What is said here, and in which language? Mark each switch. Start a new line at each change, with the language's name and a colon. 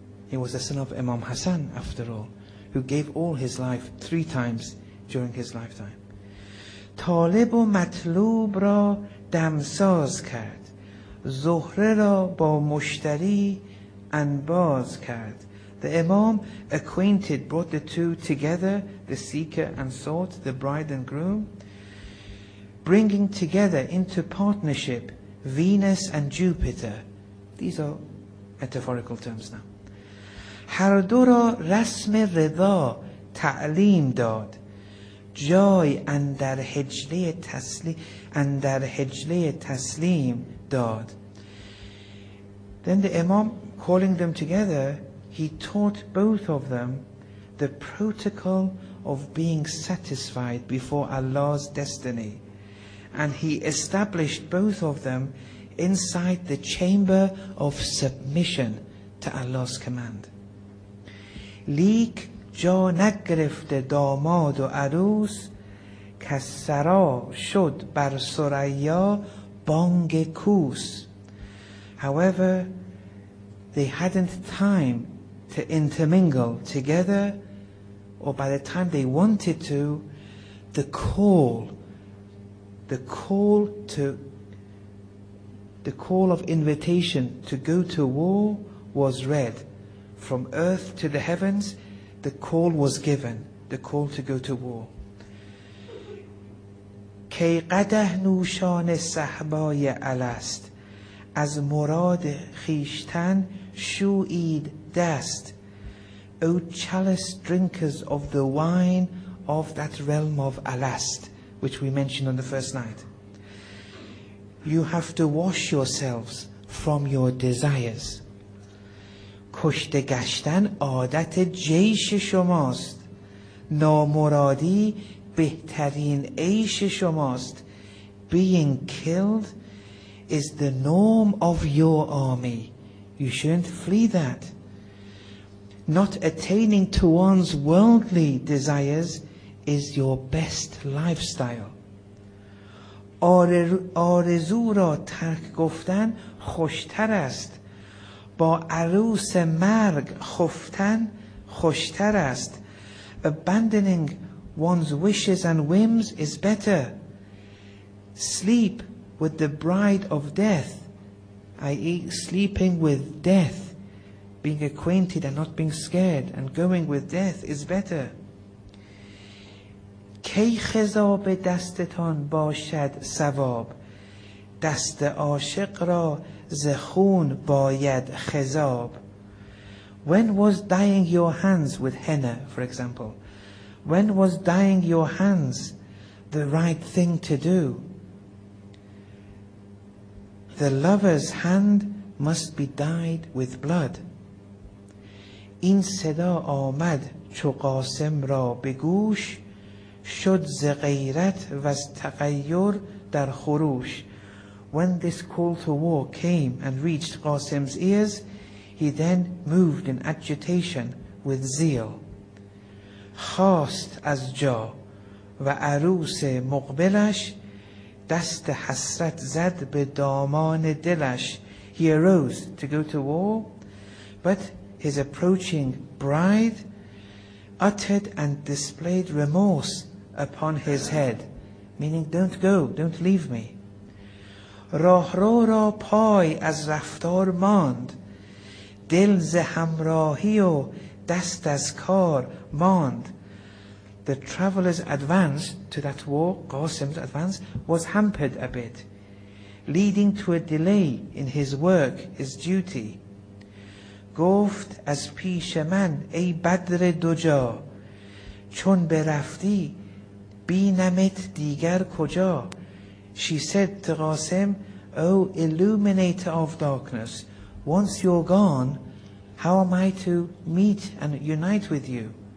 English: He was the son of Imam Hassan, after all, who gave all his life three times during his lifetime.
Persian: طالب و مطلوب را دمساز کرد زهره را با مشتری انباز کرد.
English: The Imam acquainted, brought the two together, the seeker and sought, the bride and groom, bringing together into partnership Venus and Jupiter. These are metaphorical terms now.
Persian: هر دو را رسم رضا تعلیم داد جای اندر حجله تسلیم اندر حجله تسلیم داد.
English: Then the Imam, calling them together, he taught both of them the protocol of being satisfied before Allah's destiny. And he established both of them inside the chamber of submission to Allah's command.
Persian: لیک جا نگرفت داماد و عروس که سرا شد بر سریا بانگ کوس.
English: However, they hadn't time to intermingle together, or by the time they wanted to, the call of invitation to go to war was read from earth to the heavens. The call was given, the call to go to war.
Persian: کی قده نوشان صحبای الست از مراد خیشتن شوید دست.
English: O chalice drinkers of the wine of that realm of Alast, which we mentioned on the first night. You have to wash yourselves from your desires.
Persian: کشته گشتن عادت جیش شماست. نامرادی بهترین عیش شماست.
English: Being killed is the norm of your army. You shouldn't flee that. Not attaining to one's worldly desires is your best lifestyle.
Persian: آرزو را ترک گفتن خوشتر است. با عروس مرگ خفتن خوشتر است.
English: Abandoning one's wishes and whims is better. Sleep with the bride of death, i.e. sleeping with death, being acquainted and not being scared, and going with death is better. ك
Persian: کی خضاب دستتان باشد ثواب، دست عاشق را زخون باید خضاب.
English: When was dyeing your hands with henna, for example? When was dyeing your hands the right thing to do? The lover's hand must be dyed with blood.
Persian: این صدا آمد چو قاسم را به گوش، شد ز غیرت و از تغیر در خروش.
English: When this call to war came and reached Qasim's ears, he then moved in agitation with zeal.
Persian: خواست از جا و عروس مقبلش، دست حسرت زد به دامان دلش.
English: He arose to go to war, but his approaching bride uttered and displayed remorse upon his head, meaning, don't go, don't leave me.
Persian: راه رو را پای از رفتار ماند، دل ز همراهی و دست از کار ماند.
English: The traveler's advance to that war, Qasim's advance, was hampered a bit, leading to a delay in his work, his duty.
Persian: گفت از پیش من ای بدر دجا، چون برفتی بینمت دیگر کجا.
English: She said to Qasim, O illuminator of darkness, once you're gone, how am I to meet and unite with you?